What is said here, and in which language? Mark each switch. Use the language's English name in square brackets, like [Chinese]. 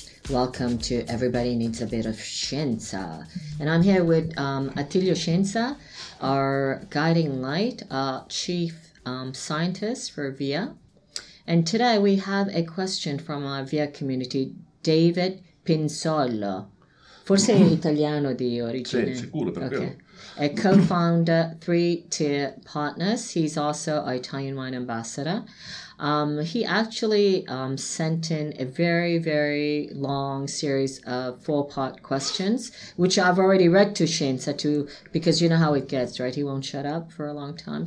[English] Welcome to Everybody Needs a Bit of Scienza. And I'm here with Attilio Scienza, our guiding light, chief scientist for VIA. And today we have a question from our VIA community, David Pinzolo. [Italian] Forse è italiano di origine. Sì, sicuro, per okay. [English] A co-founder, three-tier partners. He's also an Italian wine ambassador. He actually sent in a very, very long series of four-part questions, which I've already read to Scienza, because you know how it gets, right? He won't shut up for a long time.